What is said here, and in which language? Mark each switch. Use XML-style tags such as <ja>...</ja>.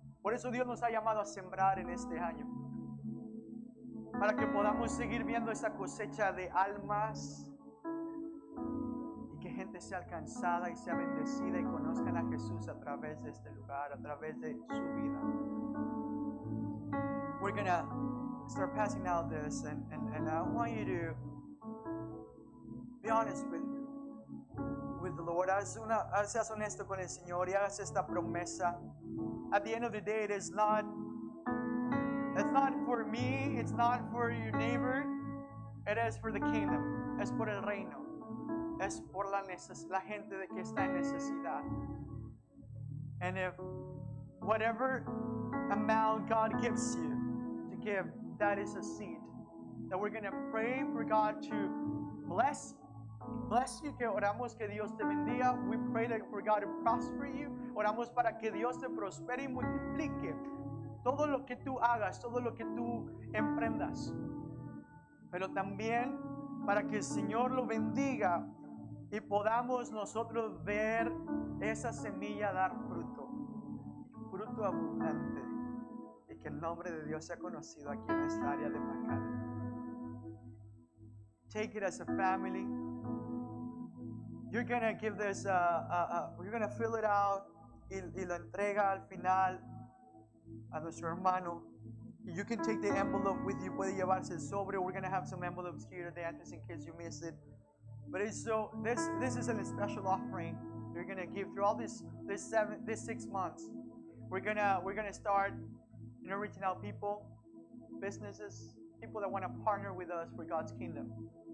<es>Por eso Dios nos ha llamado a sembrar en este año, para que podamos seguir viendo esa cosecha de almas y que gente sea alcanzada y sea bendecida y conozcan a Jesús a través de este lugar, a través de su vida.</es> <en>We're gonna start passing out this, and I want you to be honest with the Lord.</en> <es>Seas honesto con el Señor y hagas esta promesa.</es> <en>At the end of the day, it's not for me, it's not for your neighbor, it is for the kingdom,</en> <es>es por el reino, es por la gente de que está en necesidad.</es> <en>And if whatever amount God gives you to give, that is a seed that we're going to pray for God to bless you,</en> <es>que oramos que Dios te bendiga.</es> <en>We pray that for God to prosper you.</en> <es>Oramos para que Dios te prospere y multiplique todo lo que tú hagas, todo lo que tú emprendas. Pero también para que el Señor lo bendiga y podamos nosotros ver esa semilla dar fruto, fruto abundante, y que el nombre de Dios sea conocido aquí en esta área de Macal.</es> <en>Take it as a family. You're going to give this, you're going to fill it out.</en> <es>Y lo entrega al final a nuestro hermano.</es> <en>You can take the envelope with you.</en> <es>Puede llevarse el sobre.</es> <en>We're going to have some envelopes here at the entrance in case you miss it. But it's so, this is a special offering you're going to give through all this 6 months. We're gonna start, you know, reaching out people, businesses, people that want to partner with us for God's kingdom.</en>